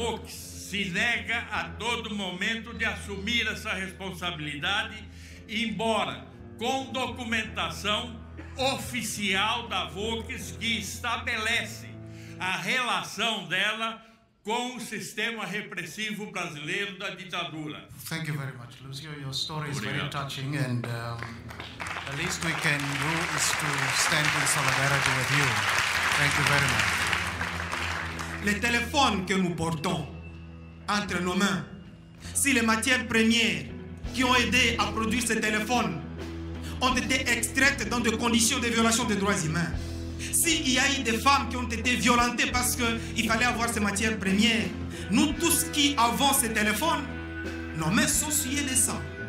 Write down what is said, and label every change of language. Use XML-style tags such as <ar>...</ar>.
<pt>Se nega a todo momento de assumir essa responsabilidade, embora com documentação oficial da Volks que estabelece a relação dela com o sistema repressivo brasileiro da ditadura.</pt> <en>Thank you very much, Lucio. Your story is very touching, and the least we can do is to stand in solidarity with you. Thank you very much.</en> <fr>Le téléphone que nous portons entre nos mains, si les matières premières qui ont aidé à produire ces téléphones ont été extraites dans des conditions de violation des droits humains, s'il y a eu des femmes qui ont été violentées parce qu'il fallait avoir ces matières premières, nous tous qui avons ces téléphones, nos mains sont souillées de sang.</fr>